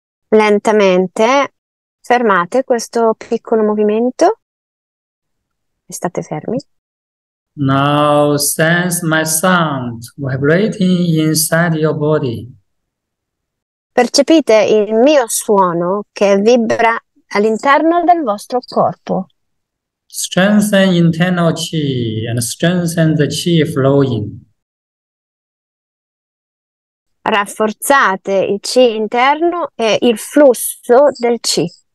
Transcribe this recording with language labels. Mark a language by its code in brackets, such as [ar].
[it] Lentamente fermate questo piccolo movimento. State fermi. [en] Now sense my sound vibrating inside your body. [it] Percepite il mio suono che vibra all'interno del vostro corpo. [en] Strengthen internal chi and strengthen the chi flowing. [it] Rafforzate il chi interno e il flusso del chi.